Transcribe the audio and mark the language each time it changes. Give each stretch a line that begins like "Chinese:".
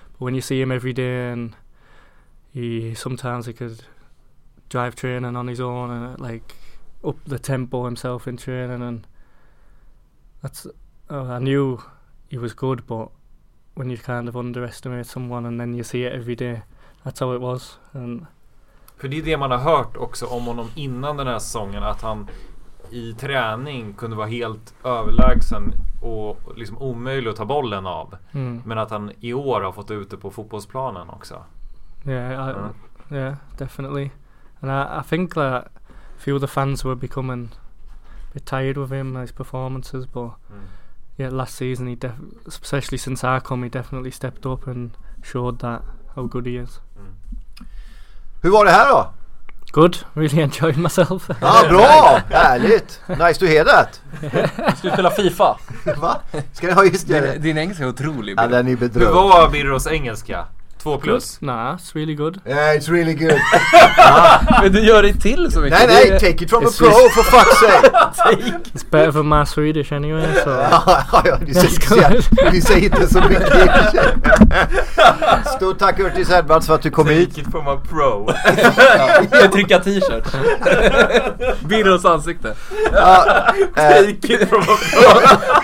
English: But when you see him every day, and sometimes he could drive training on his own and like up the tempo himself in training, and I knew he was good, but when you kind of underestimate someone and then you see it every day, that's how it was. And
Swedish: för det är det man har hört också om honom innan den här säsongen, att han i träning kunde vara helt överlägsen och liksom omöjlig att ta bollen av. Mm. Men att han i år har fått ut det på fotbollsplanen också.
English: Yeah, definitely. And I think that a few of the fans were becoming tired with him, his performances, but last season especially since I come, he definitely stepped up and showed that how good he is.
Swedish: Hur var det här då?
English: Good, really enjoyed myself.
Swedish: Ja, bra, härligt.
English: Nice to hear that.
Swedish: Ska du spela FIFA? Va? Ska jag ha just det? Din engelska är otrolig. Ja, den är bedrövd. Hur var Birros engelska? 2 plus. Nej,
English: it's really good. Yeah, it's really good.
Swedish: Men du gör det till så mycket. Nej, nej,
English: take it from a pro for fuck's sake. It's better for my Swedish anyway, so.
Swedish: Ja, ja, du säger inte så mycket. Stort tack Curtis Edwards för att du kom
English: take
Swedish: hit.
English: Take it from a pro.
Swedish: Jag trycker t-shirt. Birros ansikte.
English: Take it from a pro.